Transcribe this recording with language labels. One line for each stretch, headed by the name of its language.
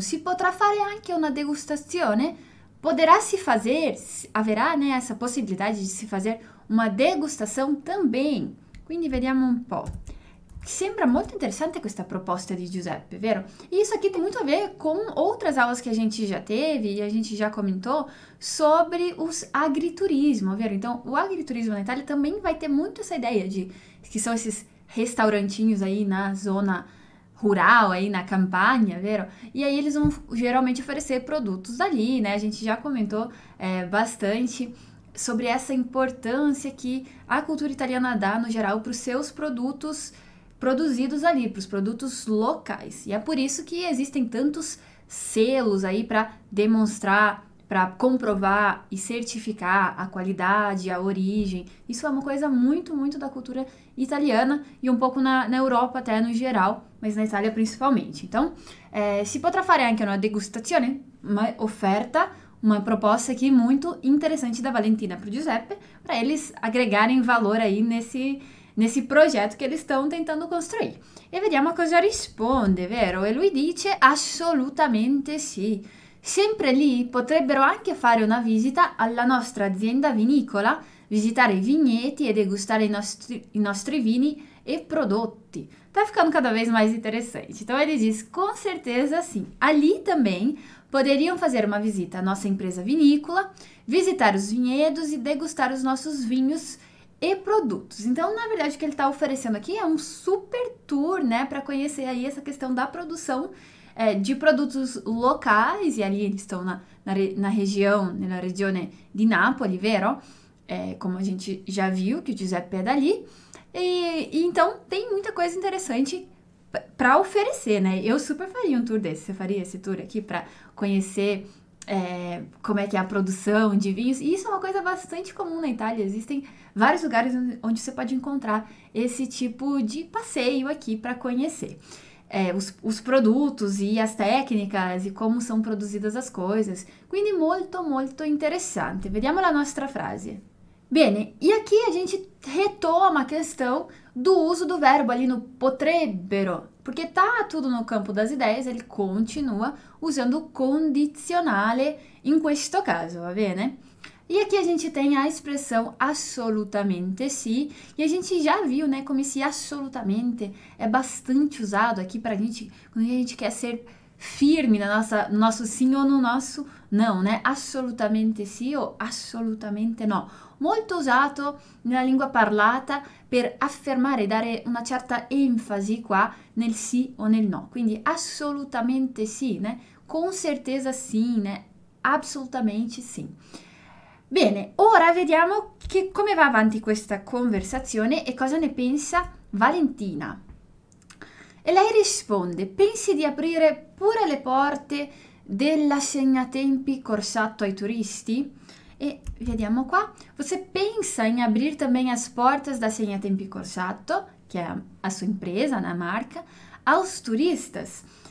Italian: Si potrà fare anche una degustazione?
Portuguese: Poderá se fazer, haverá, né, essa possibilidade de se fazer uma degustação também.
Italian: Quindi vediamo un po'. Sembra molto interessante questa proposta di Giuseppe, vero?
Portuguese: E isso aqui tem muito a ver com outras aulas que a gente já teve e a gente já comentou sobre os agriturismo, vero? Então, o agriturismo na Itália também vai ter muito essa ideia de que são esses restaurantinhos aí na zona rural, aí na campanha, vero? E aí eles vão geralmente oferecer produtos dali, né? A gente já comentou bastante sobre essa importância que a cultura italiana dá, no geral, para os seus produtos produzidos ali, para os produtos locais. E é por isso que existem tantos selos aí para demonstrar, para comprovar e certificar a qualidade, a origem. Isso é uma coisa muito, muito da cultura italiana e um pouco na Europa até no geral, mas na Itália principalmente. Então,
Italian: si potrà fare anche una degustazione,
Portuguese: uma oferta, uma proposta aqui muito interessante da Valentina para o Giuseppe, para eles agregarem valor aí nesse projeto que eles estão tentando construir.
Italian: E vediamo cosa risponde, vero? E lui dice: assolutamente sì. Sempre lì potrebbero anche fare una visita alla nostra azienda vinicola, visitare i vigneti e degustare i nostri vini e prodotti.
Portuguese: Tá ficando cada vez mais interessante. Então ele diz: com certeza sim. Ali também poderiam fazer uma visita à nossa empresa vinícola, visitar os vinhedos e degustar os nossos vinhos e produtos. Então, na verdade, o que ele está oferecendo aqui é um super tour, né, para conhecer aí essa questão da produção de produtos locais. E ali eles estão na regione di Napoli, vero? Como a gente já viu, que o Giuseppe é dali. E então tem muita coisa interessante para oferecer, né? Eu super faria um tour desse. Você faria esse tour aqui para conhecer como é que é a produção de vinhos? E isso é uma coisa bastante comum na Itália. Existem vários lugares onde você pode encontrar esse tipo de passeio aqui para conhecer os produtos e as técnicas e como são produzidas as coisas.
Italian: Quindi molto, molto interessante. Vediamo la nostra frase.
Portuguese: Bene, e aqui a gente retoma a questão do uso do verbo ali no potrebbero, porque tá tudo no campo das ideias, ele continua usando o condizionale
Italian: in questo caso, va bene?
Portuguese: E aqui a gente tem a expressão assolutamente sim, e a gente já viu, né, como esse assolutamente é bastante usado aqui para a gente, quando a gente quer ser firme no nosso sim ou no nosso não, né? Assolutamente sim ou assolutamente no.
Italian: Molto usato nella lingua parlata per affermare, dare una certa enfasi qua nel sì o nel no. Quindi assolutamente sì, né? Con certezza sì, né? Assolutamente sì. Bene, ora vediamo come va avanti questa conversazione e cosa ne pensa Valentina. E lei risponde: pensi di aprire pure le porte dell'assegnatempi corsato ai turisti? E vediamo qua.
Portuguese: Você pensa em abrir também as portas da Segnatempi Corsato, che è a sua impresa, na marca, aos turistas?